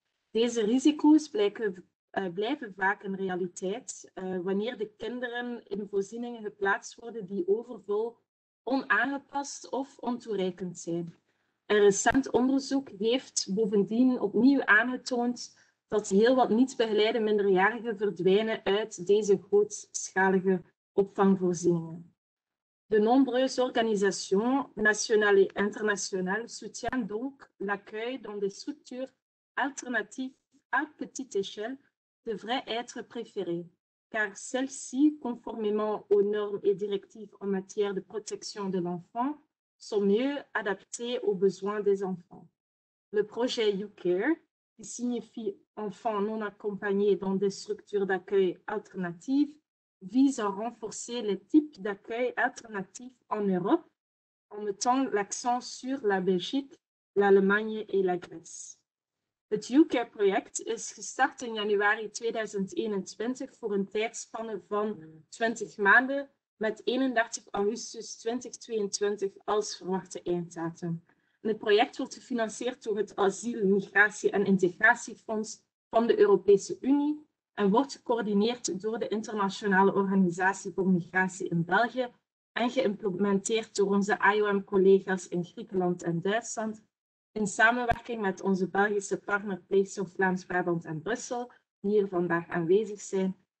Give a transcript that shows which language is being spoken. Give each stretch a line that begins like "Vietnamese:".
Dutch: Deze risico's blijven vaak een realiteit wanneer de kinderen in voorzieningen geplaatst worden die overvol, onaangepast of ontoereikend zijn. Een recent onderzoek heeft bovendien opnieuw aangetoond dat heel wat niet begeleide minderjarigen verdwijnen uit deze grootschalige opvangvoorzieningen.
French: De nombreuses organisations nationales et internationales soutiennent donc l'accueil dans des structures alternatives à petite échelle devrait être préféré, car celles-ci, conformément aux normes et directives en matière de protection de l'enfant, sont mieux adaptés aux besoins des enfants. Le projet YouCare, qui signifie enfants non accompagnés dans des structures d'accueil alternatives, vise à renforcer les types d'accueil alternatifs en Europe en mettant l'accent sur la Belgique, l'Allemagne et la Grèce.
Dutch: Het YouCare-project is gestart in januari 2021 voor een tijdspanne van 20 maanden, met 31 augustus 2022 als verwachte einddatum. Het project wordt gefinancierd door het Asiel, Migratie en Integratiefonds van de Europese Unie en wordt gecoördineerd door de Internationale Organisatie voor Migratie in België en geïmplementeerd door onze IOM-collega's in Griekenland en Duitsland in samenwerking met onze Belgische partner PlaceOf Vlaams-Brabant en Brussel, die hier vandaag aanwezig zijn.